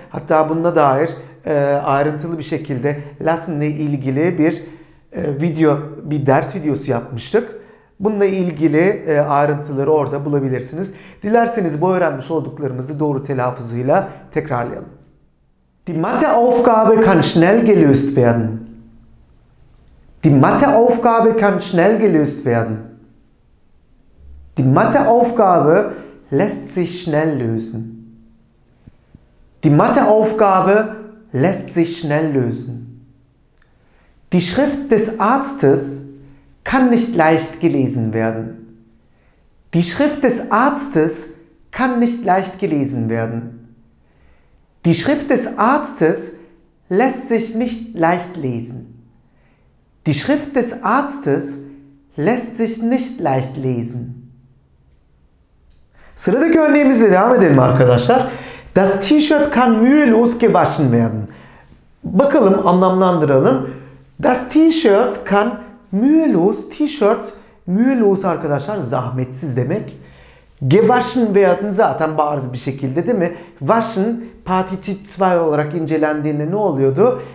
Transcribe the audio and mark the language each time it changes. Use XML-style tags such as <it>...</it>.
<tr>Hatta bununla dair ayrıntılı bir şekilde lassen ile ilgili bir video, bir ders videosu yapmıştık. Bununla ilgili ayrıntıları orada bulabilirsiniz. Dilerseniz bu öğrenmiş olduklarımızı doğru telaffuzuyla tekrarlayalım.</tr> <de>Die Matheaufgabe kann schnell gelöst werden. Die Matheaufgabe kann schnell gelöst werden. Die Matheaufgabe lässt sich schnell lösen. Die Matheaufgabe lässt sich schnell lösen. Die Schrift des Arztes kann nicht leicht gelesen werden. Die Schrift des Arztes kann nicht leicht gelesen werden. Die Schrift des Arztes lässt sich nicht leicht lesen. Die Schrift des Arztes lässt sich nicht leicht lesen.</de> <tr>Sıradaki örneğimizle devam edelim arkadaşlar.</tr> <de>Das T-Shirt kann mühelos gewaschen werden.</de> <tr>Bakalım anlamlandıralım.</tr> <de>Das T-Shirt kann mühelos, T-Shirt mühelos</de> <tr>arkadaşlar zahmetsiz demek.</tr> <de>Gewaschen werden</de> <tr>zaten bariz bir şekilde, değil mi? Waschen Partizip 2 olarak incelendiğinde ne oluyordu?</tr>